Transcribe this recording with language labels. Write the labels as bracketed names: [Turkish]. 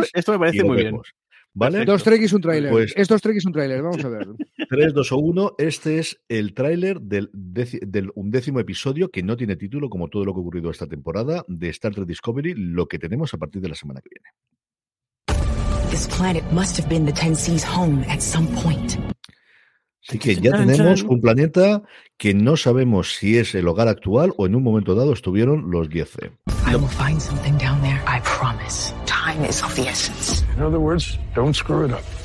[Spanish] Esto me parece muy vemos. Bien. ¿Vale? Dos trekis, un tráiler. Pues, estos trekis, un tráiler. Vamos a ver. 3, 2 o 1. Este es el tráiler del undécimo episodio, que no tiene título, como todo lo que ha ocurrido esta temporada, de Star Trek Discovery, lo que tenemos a partir de la semana que viene. [English] This planet must have been the Ten Seas home at some point. [Spanish] Así que ya tenemos un planeta que no sabemos si es el hogar actual o en un momento dado estuvieron los 10. [English] I will find something down there, I promise. Time is of the essence. In other words, don't screw it up.